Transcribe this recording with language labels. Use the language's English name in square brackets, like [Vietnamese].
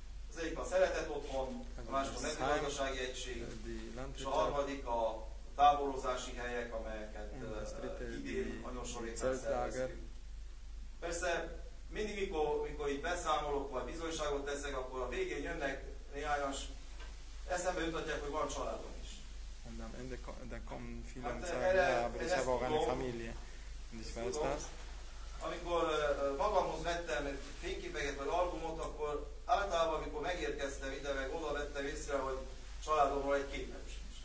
[Hungarian] Az egyik a szeretet otthon, a másik a mezőgazdasági egység, és a harmadik a táborozási helyek, amelyeket idén nagyon sor éppen szerveztünk. Persze mindig, mikor itt beszámolok, vagy bizonyságot teszek, akkor a végén jönnek néhányan, eszembe jutatják, hogy van családom. [German] Und am Ende dann kommen viele und sagen, ja, aber ich habe auch eine Familie. Und ich weiß das. [Hungarian] Amikor magamhoz vettem fényképeket vagy albumot, akkor általában, amikor megérkeztem ide, meg oda vettem észre, hogy családomról egy képem sincs.